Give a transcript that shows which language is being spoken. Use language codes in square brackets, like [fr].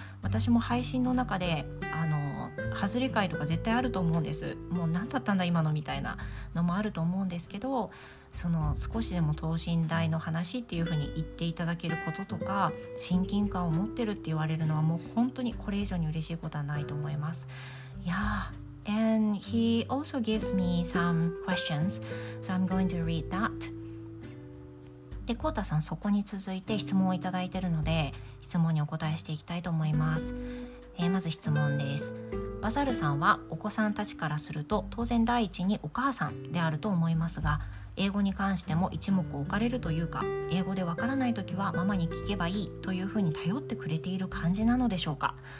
[ja] 私も配信の中でハズレ回とか絶対あると思うんです。もう何だったんだ今のみたいなのもあると思うんですけど、その少しでも等身大の話っていう風に言っていただけることとか、親近感を持ってるって言われるのはもう本当にこれ以上に嬉しいことはないと思います。 [en] いやー、And he also gives me some questions, so I'm going to read that. [ja] で、コウタさん、そこに続いて質問をいただいているので、質問にお答えしていきたいと思います。まず質問です。バザルさんはお子さんたちからすると、当然第一にお母さんであると思いますが、英語に関しても一目置かれるというか、英語でわからないときはママに聞けばいいというふうに頼ってくれている感じなのでしょうか。